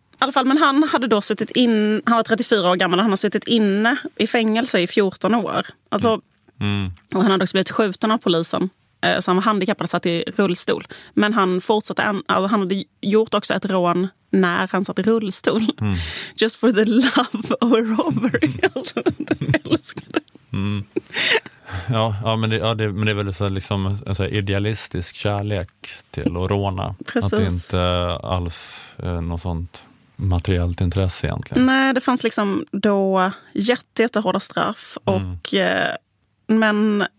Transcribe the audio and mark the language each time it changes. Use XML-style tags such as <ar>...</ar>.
<sv>I alla fall, men han hade då suttit in, han var 34 år gammal, och han har suttit inne i fängelse i 14 år. Alltså, och han hade också blivit skjuten av polisen. så han var handikappad och satt i rullstol. Men han fortsatte, han hade gjort också ett rån när han satt i rullstol. Mm.</sv> <en>Just for the love of a robbery.</en> <sv>Alltså, älskar det. Ja, ja, men det, ja det, men det är väl så liksom en så här idealistisk kärlek till att råna. Precis. Att det inte alls något sånt materiellt intresse egentligen. Nej, det fanns liksom då jättehårda straff. Och, men</sv>